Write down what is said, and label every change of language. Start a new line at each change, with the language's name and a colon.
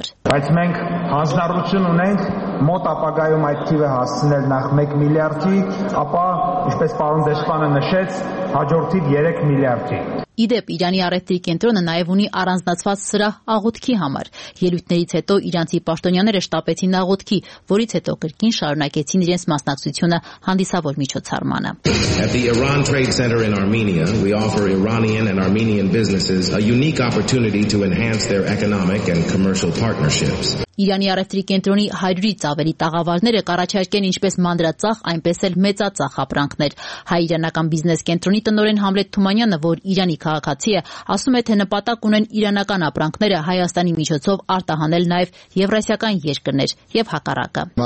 Armenian: Բայց մենք հանձնառություն ունենք մոտ ապագայում այդ թիվը հասցնել նախ 1 միլիարդի, ապա, ինչպես պարոն Դեսպանը նշեց, հաջորդիվ 3 միլիարդի։ Իդեպ, Իրանի առևտրի կենտրոնը նաև ունի առանձնացված սրահ աղոթքի համար։ Ելույթներից հետո իրանցի պաշտոնյաները շտապեցին աղոթքի, որից հետո կրկին շարունակեցին իրենց մասնակցությունը հանդիսավոր միջոցառմանը։
English: At the Iran Trade Center in Armenia, we offer Iranian and Armenian businesses a unique opportunity to enhance their economic and commercial partnerships.
Armenian: Իրանի առևտրի կենտրոնի 100-ից ավելի տաղավարները կառաջարկեն ինչպես մանրածախ, այնպես էլ մեծածախ ապրանքներ։ Հայ-իրանական բիզնես կենտրոնի տնօրեն Համլետ Թումանյանը, որ Իրանի քաղաքացի է, ասում է, թե նպատակ ունեն իրանական ապրանքները Հայաստանի միջոցով արտահանել նաև եվրասիական երկրներ և հակառակը։